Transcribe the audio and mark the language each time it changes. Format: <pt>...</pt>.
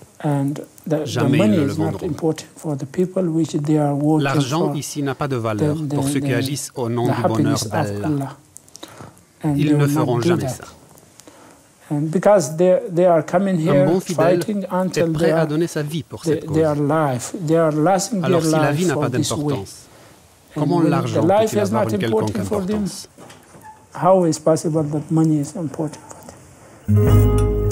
<en>And the money is not important for the people which they are working for.</en> <fr>L'argent ici n'a pas de valeur pour ceux qui agissent au nom du bonheur d'Allah. Ils ne feront jamais ça.</fr> <en>And because they are coming here fighting until</en> <fr>prêt à donner sa vie pour cette cause.</fr> <en>They are losing their life.</en> <fr>Alors si la vie n'a pas d'importance. Comment l'argent peut-il avoir une quelconque importance?</fr> <en>How is possible that money is important for them?</en>